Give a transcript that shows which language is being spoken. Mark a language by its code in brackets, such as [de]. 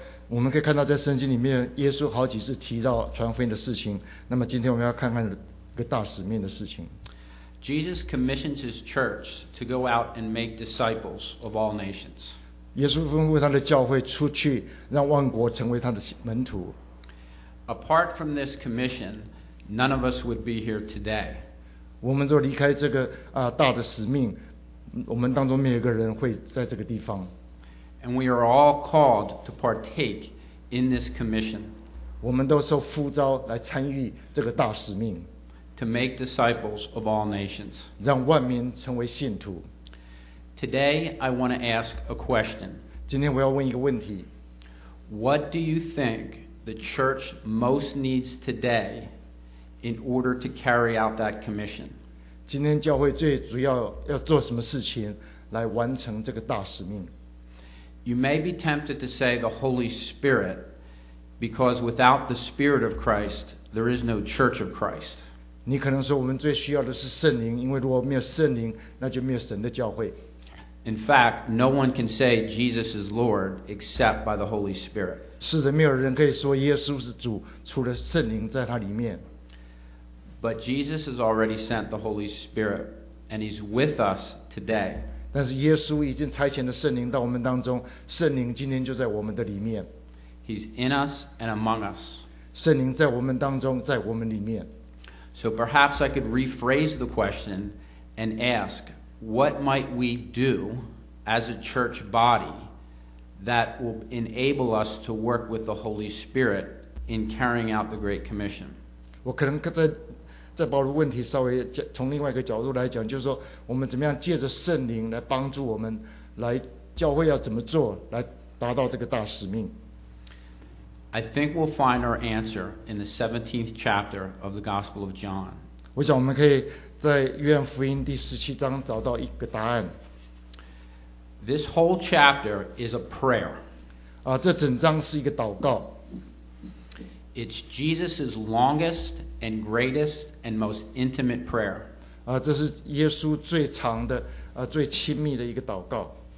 [zh] 我们可以看到在圣经里面，耶稣好几次提到传福音的事情。那么今天我们要看看一个大使命的事情。 [en] Jesus commissions his church to go out and make disciples of all nations. [zh] 耶稣吩咐他的教会出去，让万国成为他的门徒。 [en] Apart from this commission, none of us would be here today. [zh] 我们若离开这个大的使命，我们当中没有一个人会在这个地方。 [en] And we are all called to partake in this commission. [zh] 我们都受呼召来参与这个大使命。 [en] To make disciples of all nations. [zh] 让万民成为信徒。 [en] Today, I want to ask a question. [zh] 今天我要问一个问题。 [en] What do you think the church most needs today in order to carry out that commission? [zh] 今天教会最主要要做什么事情来完成这个大使命？ [en] You may be tempted to say the Holy Spirit, because without the Spirit of Christ, there is no Church of Christ. [zh] 你可能说我们最需要的是圣灵，因为如果没有圣灵，那就没有神的教会。 [en] In fact, no one can say Jesus is Lord except by the Holy Spirit. [zh] 是的，没有人可以说耶稣是主，除了圣灵在他里面。 [en] But Jesus has already sent the Holy Spirit, and He's with us today. [zh] 但是耶稣已经差遣了圣灵到我们当中，圣灵今天就在我们的里面。 [en] He's in us and among us. [zh] 圣灵在我们当中，在我们里面。 [en] So perhaps I could rephrase the question and ask, what might we do as a church body that will enable us to work with the Holy Spirit in carrying out the Great Commission? [zh] 我可能再把问题稍微从另外一个角度来讲，就是说我们怎么样借着圣灵来帮助我们，来教会要怎么做来达到这个大使命。 [en] I think we'll find our answer in the 17th chapter of the Gospel of John. [zh] 我想我们可以在约翰福音第十七章找到一个答案。 [en] This whole chapter is a prayer. [zh] 这整章是一个祷告。 [en] It's Jesus' longest and greatest and most intimate prayer. [zh] 这是耶稣最长的最亲密的一个祷告。